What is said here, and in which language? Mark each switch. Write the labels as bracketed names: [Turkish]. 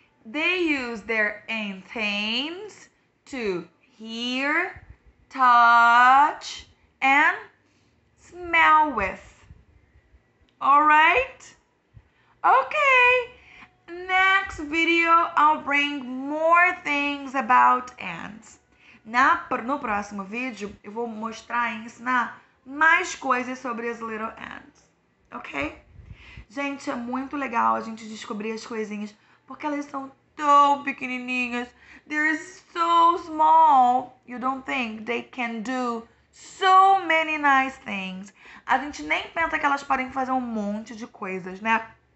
[English] They use their antennas to hear, touch, and smell with. All right? Okay. Next video, I'll bring more things about ants. [Portuguese] No próximo vídeo, eu vou mostrar e ensinar mais coisas sobre as little ants. Okay? Gente, é muito legal a gente descobrir as coisinhas, porque elas são tão pequenininhas. [English] They're so small. You don't think they can do so many nice things. [Portuguese] A gente nem pensa que elas podem fazer um monte de coisas, né?